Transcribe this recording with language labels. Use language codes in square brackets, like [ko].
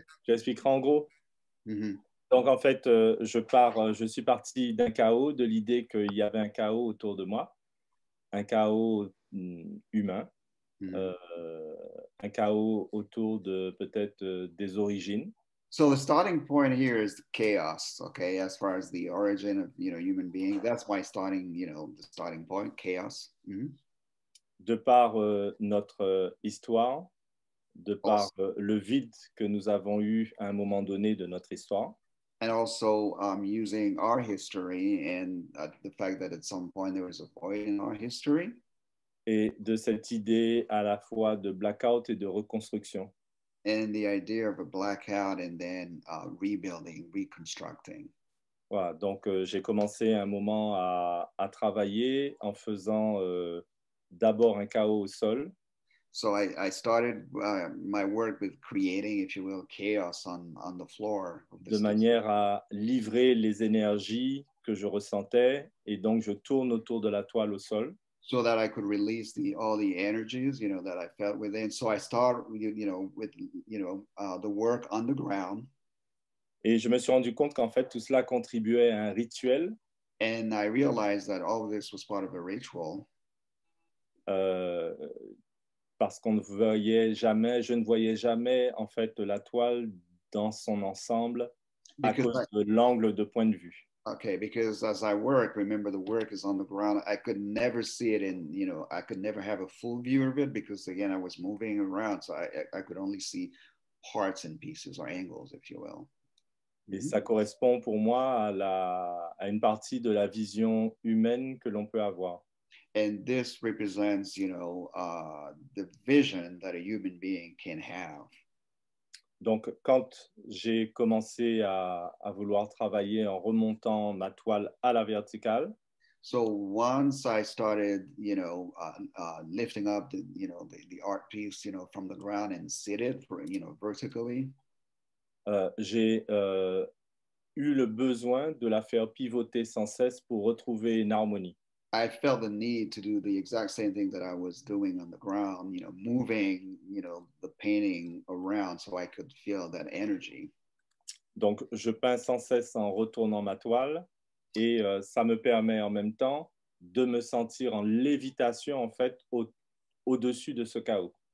[fr] J'expliquerai en gros. Donc, en fait, je suis parti d'un chaos, de l'idée qu'il y avait un chaos autour de moi, un chaos humain, un chaos autour de peut-être des origines. [en] So the starting point here is the chaos, okay, as far as the origin of, you know, human being. That's why the starting point, chaos. Mm-hmm. [fr] De par notre histoire, de par [en] also, [fr] le vide que nous avons eu à un moment donné de notre histoire. [en] And also using our history and the fact that at some point there was a void in our history. [fr] Et de cette idée à la fois de blackout et de reconstruction. [en] And the idea of a blackout and then rebuilding, reconstructing. [fr] Voilà, donc j'ai commencé un moment à travailler en faisant d'abord un chaos au sol. [en] So I started my work with creating, if you will, chaos on the floor. [fr] De manière à livrer les énergies que je ressentais, et donc je tourne autour de la toile au sol. [en] So that I could release the, all the energies, you know, that I felt within. So I start, the work on the ground. [fr] Et je me suis rendu compte qu'en fait tout cela contribuait à un rituel. [en] And I realized that all of this was part of a ritual. [fr] Parce qu'on ne voyait jamais, je ne voyais jamais en fait la toile dans son ensemble à cause de l'angle de point de vue. [en] Okay, because as I work, remember the work is on the ground. I could never see it in, you know, I could never have a full view of it because again I was moving around, so I could only see parts and pieces or angles, if you will. [fr] Et ça correspond pour moi à la à une partie de la vision humaine que l'on peut avoir. [en] And this represents, you know, the vision that a human being can have. [fr] Donc, quand j'ai commencé à vouloir travailler en remontant ma toile à la verticale. [en] So once I started, you know, lifting up the, you know, the art piece, you know, from the ground and sit it, for, you know, vertically. [fr] J'ai eu le besoin de la faire pivoter sans cesse pour retrouver une harmonie. [en] I felt the need to do the exact same thing that I was doing on the ground, you know, moving, you know, the painting around so I could feel that energy. [fr] Donc, je peins sans cesse en retournant ma toile et ça me permet en même temps de me sentir en lévitation, en fait, au-dessus de ce chaos.